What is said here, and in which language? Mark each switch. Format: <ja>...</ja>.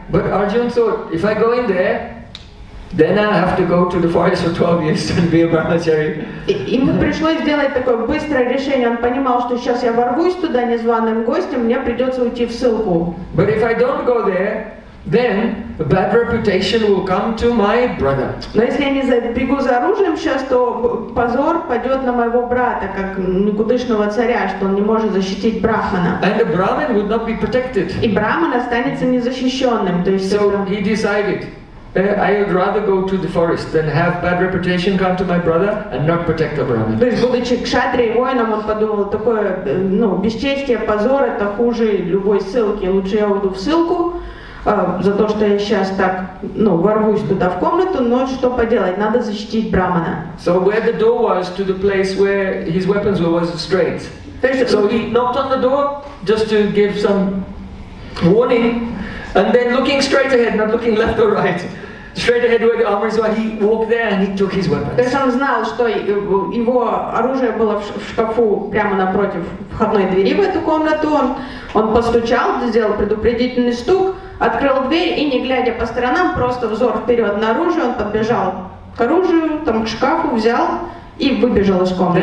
<en>But Arjuna thought, if I go in there, then I have to go to the forest for 12 years and be a brahmachari.</en> <ru>Ему пришлось сделать такое быстрое решение. Он понимал, что сейчас я ворвусь туда незваным гостем, мне придется уйти в ссылку.</ru> <en>But if I don't go there, then a bad reputation will come to my brother.</en> <ru>Но если я не бегу за оружием сейчас, то позор пойдет на моего брата, как никудышного царя, что он не может защитить брахмана.</ru> <en>And a brahmin would not be protected.</en> <ru>И брахман останется незащищенным. То есть</ru> <en>so he decided, I would rather go to the forest than have bad reputation come to my brother and not protect the brahmin.</en> <ru>То есть, будучи кшатрией, воином, он подумал, такое, ну, бесчестие, позор, это хуже любой ссылки. Лучше я уйду в ссылку за то, что я сейчас так, ну, ворвусь туда в комнату, но что поделать, надо защитить брахмана.</ru> <en>So where the door was to the place where his weapons were was straight. So he knocked on the door just to give some warning. And then looking straight ahead, not looking left or right, straight ahead where the armory is, where he walked there and he took his weapons.</en> <ru>То есть он знал, что его оружие было в шкафу прямо напротив входной двери в эту комнату. Он постучал, сделал предупредительный стук, открыл дверь и, не глядя по сторонам, просто взор вперед на оружие, он подбежал к оружию, там к шкафу, взял и выбежал из комнаты.</ru>